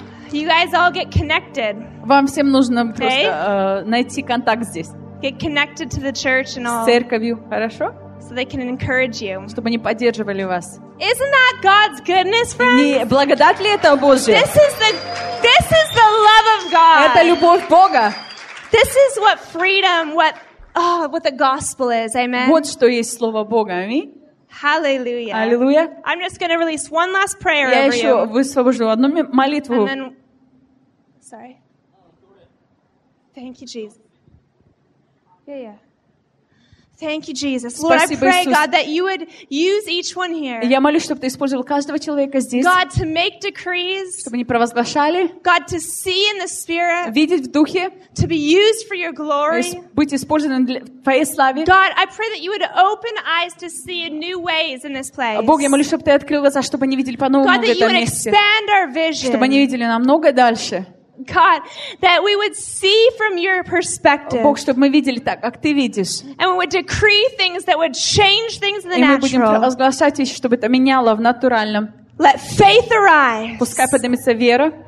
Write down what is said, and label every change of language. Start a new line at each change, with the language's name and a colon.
English: You guys all get connected.
Russian: Вам всем нужно okay? просто найти контакт здесь.
English: Get connected to the church and all.
Russian: С церковью, хорошо?
English: So they can encourage you.
Russian: Чтобы они поддерживали вас.
English: Isn't that God's goodness, friends?
Russian: Не благодать ли это Божья?
English: This is the love of God.
Russian: Это любовь Бога.
English: This is what freedom, what the gospel is. Amen.
Russian: Вот что есть слово Бога. Аминь.
English: Hallelujah.
Russian: Аллилуйя.
English: I'm just going to release one last prayer over
Russian: Я еще высвобожу одну молитву.
English: And then, sorry. Thank you, Jesus. Yeah. Thank you, Jesus. Lord,
Russian: спасибо,
English: I pray,
Russian: Иисус.
English: God, that you would use each one here.
Russian: Я молюсь, чтобы ты использовал каждого человека здесь.
English: God, to make decrees.
Russian: Чтобы они провозглашали.
English: God, to see in the spirit.
Russian: Видеть в духе.
English: To be used for your glory.
Russian: Быть использованным для твоей славы.
English: God, I pray that you would open eyes to see new ways in this place.
Russian: Бог, я молюсь, чтобы ты открыл глаза, чтобы они видели по-новому
English: God,
Russian: в этом месте.
English: God, that you would expand our vision.
Russian: Чтобы они видели намного дальше.
English: God, that we would see from your perspective.
Russian: Бог, чтобы мы видели так, как ты видишь.
English: And we would decree things that would change things in the natural.
Russian: И мы будем провозглашать вещи, чтобы это меняло в натуральном.
English: Let faith arise.
Russian: Пускай поднимется вера.